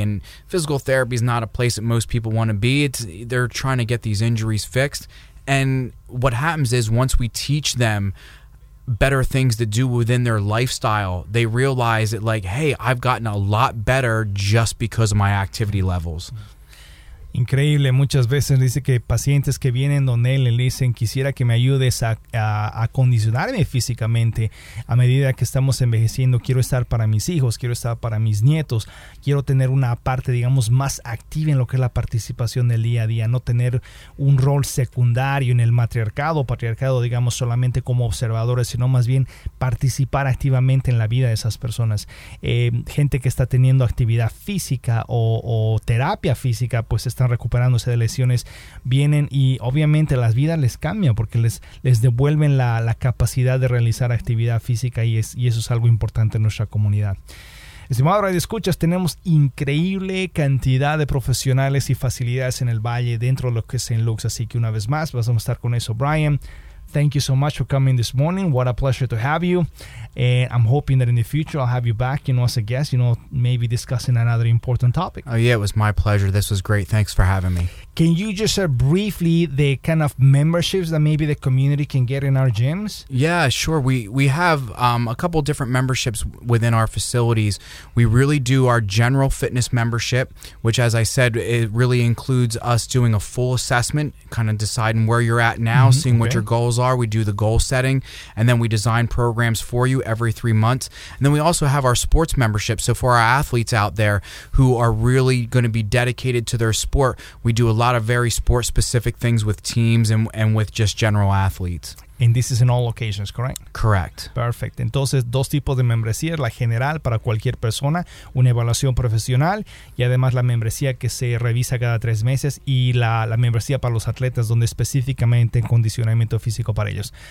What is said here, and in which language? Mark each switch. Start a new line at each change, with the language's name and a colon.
English: And physical therapy is not a place that most people want to be. They're trying to get these injuries fixed. And what happens is once we teach them better things to do within their lifestyle, they realize that, like, hey, I've gotten a lot better just because of my activity levels.
Spanish: Increíble. Muchas veces dice que pacientes que vienen donde él le dicen, quisiera que me ayudes a condicionarme físicamente a medida que estamos envejeciendo. Quiero estar para mis hijos, quiero estar para mis nietos, quiero tener una parte, digamos, más activa en lo que es la participación del día a día, no tener un rol secundario en el patriarcado, digamos, solamente como observadores, sino más bien participar activamente en la vida de esas personas. Gente que está teniendo actividad física o terapia física, pues están recuperándose de lesiones, vienen y obviamente las vidas les cambian porque les devuelven la capacidad de realizar actividad física y eso es algo importante en nuestra comunidad. Estimado Radio Escuchas, tenemos increíble cantidad de profesionales y facilidades en el Valle dentro de lo que es St. Luke's, así que una vez más vamos a estar con eso.
English: Brian, thank you so much for coming this morning. What a pleasure to have you. And I'm hoping that in the future I'll have you back, you know, as a guest, you know, maybe discussing another important topic. Oh, yeah, it was my pleasure. This was great. Thanks for having me. Can you just briefly the kind of memberships that maybe the community can get in our gyms? Yeah, sure. We have a couple different memberships within our facilities. We really do our general fitness membership, which, as I said, it really includes us doing a full assessment, kind of deciding where you're at now, mm-hmm, seeing okay. what your goals are. We do the goal setting, and then we design programs for you every 3 months. And then we also have our sports membership. So for our athletes out there who are really going to be dedicated to their sport, we do a lot of very sport-specific things with teams and with just general athletes. And this is in all locations, correct? Correct. Perfect.
Spanish: Entonces, dos tipos de membresía, la general para cualquier persona, una evaluación profesional y además la membresía que se revisa cada 3 meses y la membresía para los atletas donde específicamente en condicionamiento físico para ellos.